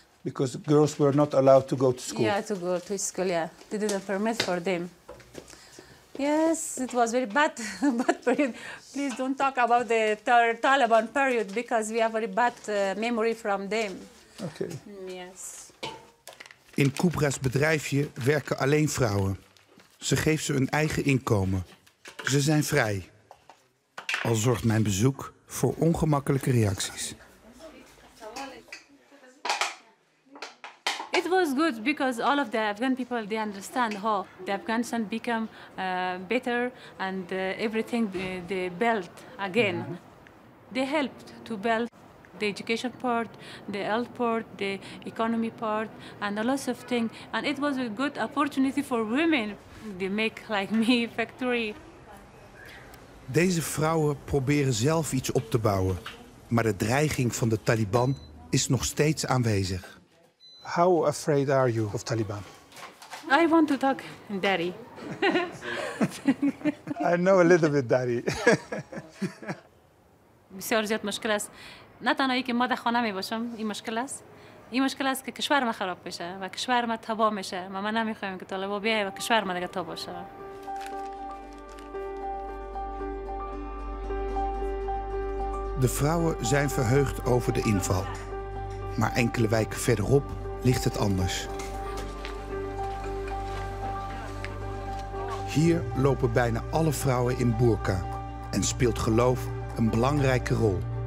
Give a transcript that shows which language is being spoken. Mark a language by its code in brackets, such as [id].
[en] Because girls were not allowed to go to school. Yeah, to go to school, yeah. They didn't permit for them. Yes, it was very bad period. Please don't talk about the Taliban period because we have very bad memory from them. Okay. Yes. [nl] In Kubra's bedrijfje werken alleen vrouwen. Ze geven ze hun eigen inkomen. Ze zijn vrij. Al zorgt mijn bezoek voor ongemakkelijke reacties. [en] It was good because all of the Afghan people, they understand how the Afghanistan become better and everything they built again. Mm-hmm. They helped to build the education part, the health part, the economy part, and a lot of things. And it was a good opportunity for women. They make like me factory. [nl] Deze vrouwen proberen zelf iets op te bouwen, maar de dreiging van de Taliban is nog steeds aanwezig. [en] How afraid are you of Taliban? I want to talk daddy. I know a little bit daddy. [fa] بسیار زیاد مشکل است. نه تنها اینکه ما در خانه می باشم، این مشکل است. این مشکل است که کشور ما خراب بشه و کشور ما تباه میشه. ما نمیخوایم که طالبان بیاید و کشور ما دیگه تباه شود. [nl] De vrouwen zijn verheugd over de inval. Maar enkele wijken verderop ligt het anders. Hier lopen bijna alle vrouwen in burka en speelt geloof een belangrijke rol.